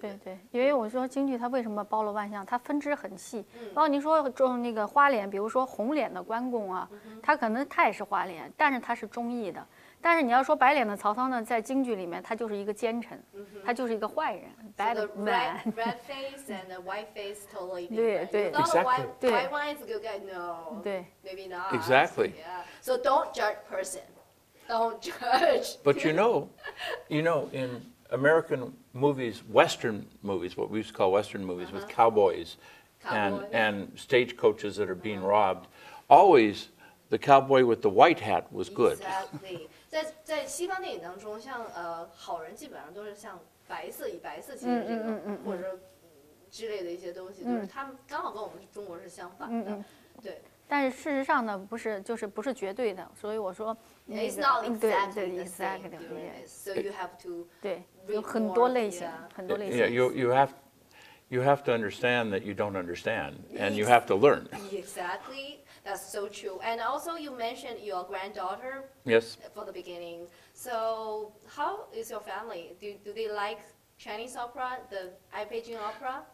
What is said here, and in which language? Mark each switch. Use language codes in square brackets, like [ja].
[zh] 对？对对，因为我说京剧它为什么包罗万象，它分支很细。包括您说中那个花脸，比如说红脸的关公啊，他可能他也是花脸，但是他是忠义的。但是你要说白脸的曹操呢，在京剧里面他就是一个奸臣，他就是一个坏人。 [en] Bad man. So red face and white face totally different. [zh] 对对。 [en] Exactly. White one is a good guy. No. [zh] 对。 [en] Maybe not. Exactly. Yeah. So don't judge person. Don't judge. But you know, in American movies, Western movies, what we used to call Western movies, with cowboys, and stagecoaches that are being robbed, always the cowboy with the white hat was good. Exactly. [zh] 在西方电影当中，像好人基本上都是像白色，以白色其实这个或者之类的一些东西，就是他们刚好跟我们中国是相反的，对。但是事实上呢，不是，就是不是绝对的，所以我说，那个、 [en] It's not exactly the same. So you have to [zh] 对，有很多类型，很多类型。 [en] Yeah, you have to understand that you don't understand, and you have to learn. Exactly. That's so true. And also, you mentioned your granddaughter. Yes. For the beginning. So, how is your family? Do they like Chinese opera, the Ai Peijing opera?